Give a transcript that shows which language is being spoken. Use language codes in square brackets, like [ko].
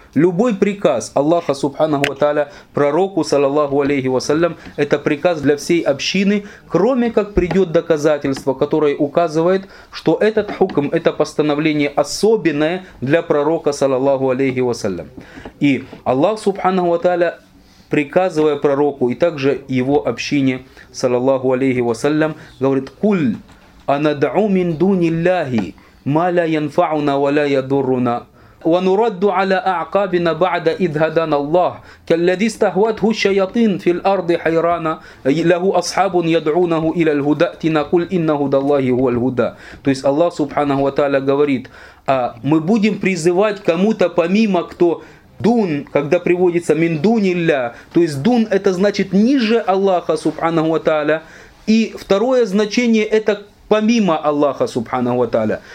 [ru] Любой приказ Аллаха, субханаху ва тааля, пророку, саллаллаху алейхи ва саллям, это приказ для всей общины, кроме как придет доказательство, которое указывает, что этот хукм, это постановление особенное для пророка, саллаллаху алейхи ва саллям. И Аллах, субханаху ва тааля, приказывая пророку и также его общине, саллаллаху алейхи ва саллям, говорит: [ar] «Куль, анадау мин дуни ллахи, ма ла янфауна ва ла ядурруна». ونرد على أعقابنا بعد إذ هدانا الله كالذي استهوته الشياطين في الأرض حيرانا له أصحاب يدعونه إلى الهدى اتنا قل إن هدى الله هو الهدى. [ru] То есть Аллах Субханаху ва тааля говорит: а мы будем призывать кому-то помимо кто дун, когда приводится мин дунилля, то есть дун — это значит ниже Аллаха Субханаху ва тааля, и второе значение — это помимо Аллаха, субханаху ва тааля.